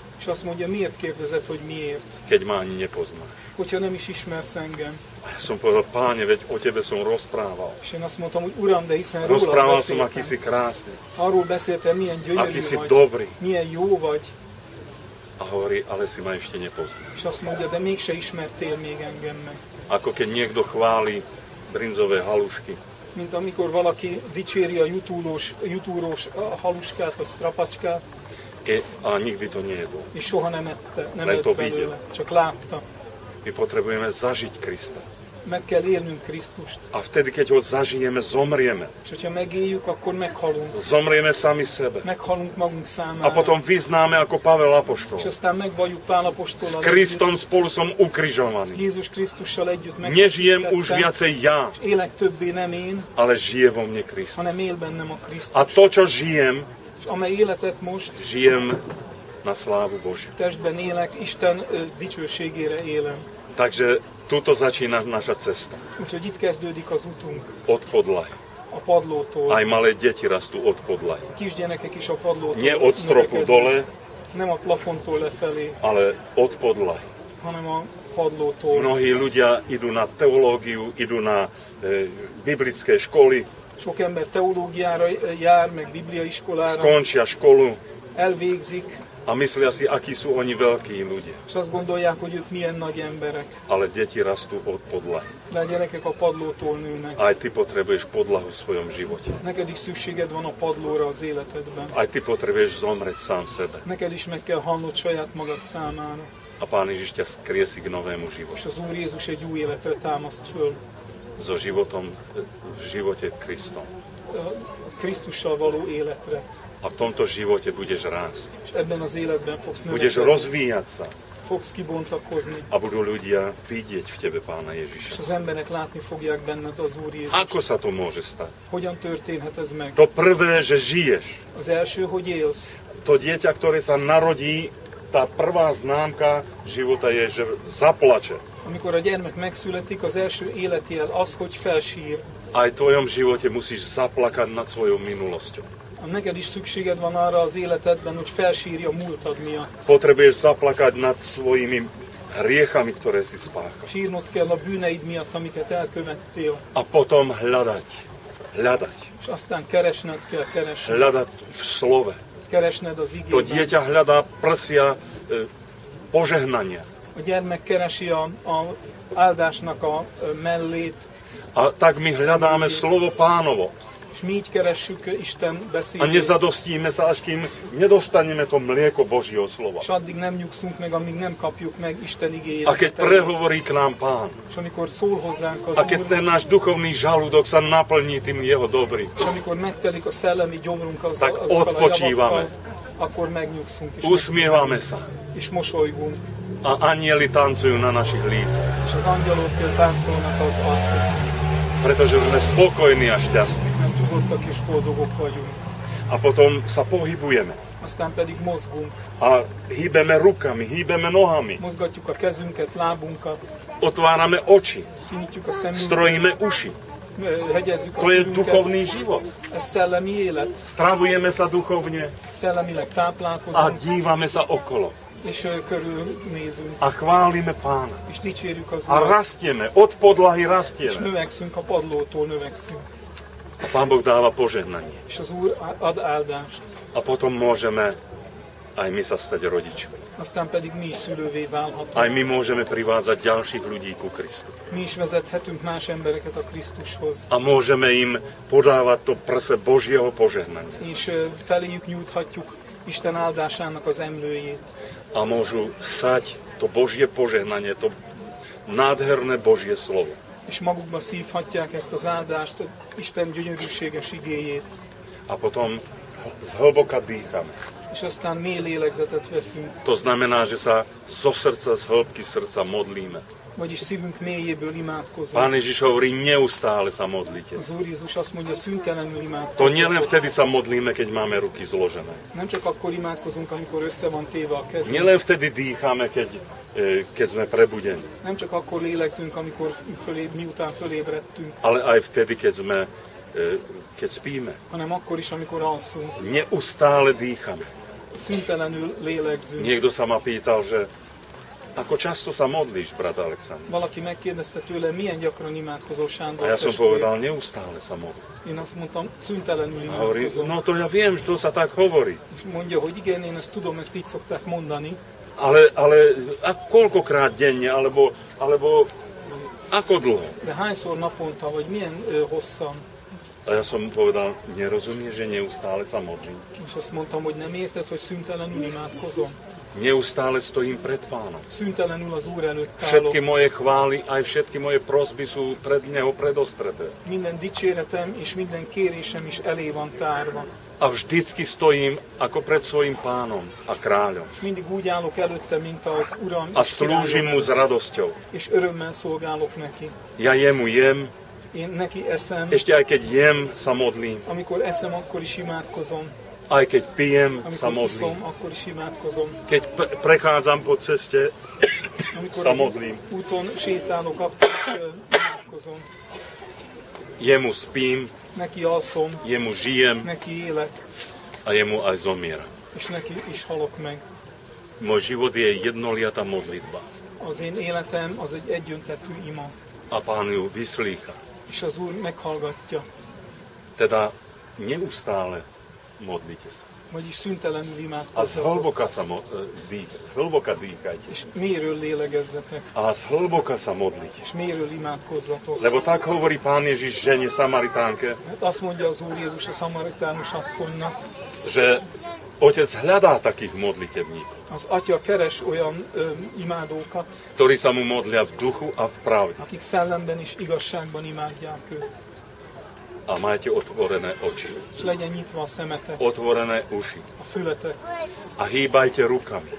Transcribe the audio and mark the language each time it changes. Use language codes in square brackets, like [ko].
[hu] És azt mondja, miért kérdezed, hogy miért? [sk] Keď ma ani nepoznáš. [hu] Hogyha nem is ismersz engem. [sk] A ja som povedal, Páne, veď o tebe som rozprával. [hu] És én azt mondtam, hogy Uram, de hiszen róla beszéltem. [sk] Rozprával som, aki si krásny. [hu] Arról beszéltem, milyen gyönyörű aki vagy. [sk] Aki si dobrý. [hu] Milyen jó vagy. [sk] A hovorí, ale si ma ešte nepoznáš. [hu] És azt mondja, de mégse ismertél még engem meg. [sk] Ako keď niekto chváli brinzové halušky. [hu] Mint amikor valaki dicséri a jutúrós haluskát, vagy strapacskát. [sk] A nikdy to nie jedol. [hu] I soha nem ette, nem jött belőle, csak látta. [sk] My potrebujeme zažiť Krista. [hu] Meg kell élnünk Krisztust. [sk] A vtedy, keď ho zažijeme, zomrieme. [hu] És hogyha megéljük, akkor meghalunk. [sk] Zomrieme sami sebe. [hu] Meghalunk magunk számára. [sk] A potom vyznáme ako Pavel apoštol. [hu] És aztán megvalljuk Pál apoštol. [sk] S Kristom spolu som ukrižovaný. [hu] Jézus Krisztussal együtt meg. [sk] Nežijem už viacej ja. [hu] És élek többé nem én. [sk] Ale žije vo mne Krisztus. [hu] Hanem él bennem a Krisztus. [sk] A to, čo žijem. [hu] És amely életet most. [sk] Žijem na slávu Božiu. [hu] Testben élek, Isten dicsőségére élem. [sk] Takže tuto začína naša cesta. [hu] Úgyhogy itt kezdődik az útunk. [sk] Od podlahy. [hu] A padlótól. [sk] Aj malé deti rastú od podlahy. [hu] Kisgyerekek is a padlótól. [sk] Nie od stropu dole. [hu] Nem a plafontól lefelé. [sk] Ale od podlahy. [hu] Hanem a padlótól. [sk] Mnohí ľudia idú na teológiu, idú na biblické školy. [hu] Sok ember teológiára jár, meg bibliaiskolára. [sk] Skončia školu. [hu] Elvégzik. [sk] A myslia si, akí sú oni veľkí ľudia. [hu] És azt gondolják, hogy ők milyen nagy emberek. [sk] Ale deti rastú od podlahy. [hu] De a gyerekek a padlótól nőnek. [sk] Aj ty potrebuješ podlahu v svojom živote. [hu] Neked is szükséged van a padlóra az életedben. [sk] Aj ty potrebuješ zomrieť sám sebe. [hu] Neked is meg kell halnod saját magad számára. [sk] A Pán Ježiš ťa skriesi k novému životu. [hu] És az Úr Jézus egy új életre támaszt föl. [sk] So životom, v živote Kristom. [hu] Krisztussal való életre. [sk] A v tomto živote budeš rásť. [hu] És ebben az életben fogsz növekedni. [sk] Budeš rozvíjať sa. [hu] Fogsz kibontakozni. [sk] A budú ľudia vidieť v tebe Pána Ježiša. [hu] És az emberek látni fogják benned az Úr Jézus. [sk] Ako sa to môže stať? [hu] Hogyan történhet ez meg? [sk] To prvé, že žiješ. [hu] Az első, hogy élsz. [sk] To dieťa, ktoré sa narodí, tá prvá známka života je, že zaplače. [hu] Amikor a gyermek megszületik, az első életjel az, hogy felsír. [sk] Aj tvojom živote musíš zaplakať nad svojou minulosťou. [hu] A neked is szükséged van arra az életedben, hogy felsírj a múltad miatt. [sk] Potrebuješ zaplakať nad svojimi hriechami, ktoré si spáchal. [hu] Sírnod kell a bűneid miatt, amiket elkövettél. [sk] A potom hľadať. [hu] És aztán keresned kell keresni. [sk] Hľadať v slove. [hu] Keresned az igében. [sk] To dieťa hľadá prsia požehnania. [hu] A gyermek keresi a áldásnak a mellét. [sk] A tak my hľadáme slovo Pánovo. [hu] És mi így keressük Isten beszédét. [sk] A nezadostíme sa, až kým nedostaneme to mlieko Božieho slova. [hu] És addig nem nyugszunk meg, amíg nem kapjuk meg Isten igéjét. [sk] A keď prehovorí k nám Pán. [hu] És amikor szól hozzánk az [sk] Úr. A keď ten náš duchovný žalúdok sa naplní tým jeho dobrý. [hu] És amikor megtelik a szellemi gyomrunk azzal, [sk] tak odpočívame. [hu] Akkor megnyugszunk. [sk] Usmievame sa. [hu] És mosolygunk. [sk] A anjeli táncujú na našich lícach. [hu] És az angyalok táncolnak az arcunkon. [sk] Pretože sme spokojní a šťastní. [hu] Tuhottak és boldogok vagyunk. [sk] A potom sa pohybujeme. [hu] Aztán pedig mozgunk. [sk] A hýbeme rukami, hýbeme nohami. [hu] Mozgatjuk a kezünket, lábunkat. [sk] Otvárame oči. [hu] Kinyitjuk a szemünket. [sk] Strojíme uši. [hu] Hegyezzük [sk] to a je duchovný život. [hu] Ez szellemi élet. [sk] Strávujeme sa duchovne. [hu] Szellemileg táplálkozunk. [sk] A dívame sa okolo. [hu] És körülnézünk. [sk] A chválime Pána. [hu] És dicsérjük az [sk] Urat. A rastieme, od podlahy rastieme. [hu] És növekszünk a padlótól, növekszünk. [sk] A Pán Boh dáva požehnanie. [hu] És az Úr ad áldást. [sk] A potom môžeme aj my sa stať rodičmi. [hu] Aztán pedig mi is szülővé válhatunk. [sk] Aj my môžeme privádzať ďalších ľudí ku Kristu. [hu] Mi is vezethetünk más embereket a Krisztushoz. [sk] A môžeme im podávať to prse Božieho požehnania. [hu] És feléjük nyújthatjuk Isten áldásának az emlőjét. [sk] A môžu sať to Božie požehnanie, to nádherné Božie slovo. [hu] És magukba szívhatják ezt az áldást, Isten gyönyörűséges igéjét. [sk] A potom zhlboka dýchame. [hu] És aztán mély lélegzetet veszünk. [sk] To znamená, že sa zo srdca, z hĺbky srdca modlíme. [hu] Vagyis szívünk mélyéből imádkozunk. [sk] Pán Ježiš hovorí, neustále sa modlite. [hu] Az Úr Jézus azt mondja, szüntelenül imádkozunk. [sk] To nielen vtedy sa modlíme, keď máme ruky zložené. [hu] Nem csak akkor imádkozunk, amikor össze van téve a kezünk. [sk] Nielen vtedy dýchame, keď sme prebudení. [hu] Nem csak akkor lélegzünk, amikor miután fölébredtünk. [sk] Ale aj vtedy, keď spíme. [hu] Hanem akkor is, amikor alszunk. [sk] Neustále dýchame. [hu] Szüntelenül lélegzünk. [sk] Niekto sa ma pýtal, že ako často sa modlíš, brat Alexander? [hu] Valaki megkérdezte tőle, milyen gyakran imádkozol, Sándor. [sk] A ja som povedal, neustále sa modlím. [hu] Én azt mondtam, szüntelenül imádkozom. [sk] No to ja viem, že to sa tak hovorí. [hu] És mondja, hogy igen, én ezt tudom, ezt így szokták mondani. [sk] Ale a koľkokrát denne, alebo ako dlho? [hu] De hányszor naponta, vagy milyen hosszan? [sk] A ja som povedal, nerozumieš, že neustále sa modlím. [hu] És azt mondtam, hogy nem érted, hogy szüntelenül imádkozom. [sk] Neustále stojím pred Pánom. [hu] Szüntelenül az Úr előtt állok. [sk] Všetky moje chvály, aj všetky moje prosby sú pred Neho predostreté. [hu] Minden dicséretem és minden kérésem is elé van tárva. [sk] A vždycky stojím ako pred svojim Pánom a Kráľom. [hu] Mindig úgy állok előtte, mint az Uram. [sk] A slúžim Mu s radosťou. [hu] És örömmel szolgálok neki. [sk] Ja Jemu jem. [hu] Én neki eszem. [sk] Ešte aj keď jem, sa modlím. [hu] Amikor eszem, akkor is imádkozom. [sk] Aj keď pijem, sa modlím. [hu] Amikor iszom, akkor is imádkozom. [sk] Keď prechádzam po ceste, sa modlím. [hu] Amikor úton sétálok, akkor is imádkozom. [sk] Jemu spím. [hu] Neki alszom. [sk] Jemu žijem. [hu] Neki élek. [sk] A jemu aj zomieram. [hu] És neki is halok meg. [sk] Môj život je jednoliata modlitba. [hu] Az én életem, az egy egyöntetű ima. [sk] A Pán ju vyslícha. [hu] És az Úr meghallgatja. [sk] Teda neustále modlite sa. [hu] Vagyis szüntelenül imádkozzatok. [sk] A zhlboka dýchajte. [hu] És mélyről lélegezzetek. [sk] A zhlboka sa modlite. [hu] És mélyről imádkozzatok. [sk] Lebo tak hovorí Pán Ježiš žene Samaritánke. [hu] Hát azt mondja az Úr Jézus a Samaritánus asszonynak. [sk] Že Otec hľadá takých modlitevníkov. [hu] Az Atya keres olyan imádókat. [sk] Ktorí sa mu modlia v duchu a v pravde. [hu] Akik szellemben és igazságban imádják őt. [sk] A majte otvorené oči. [hu] S legyen nyitva a szemetek. [sk] Otvorené uši. [hu] A fületek. [sk] A hýbajte rukami.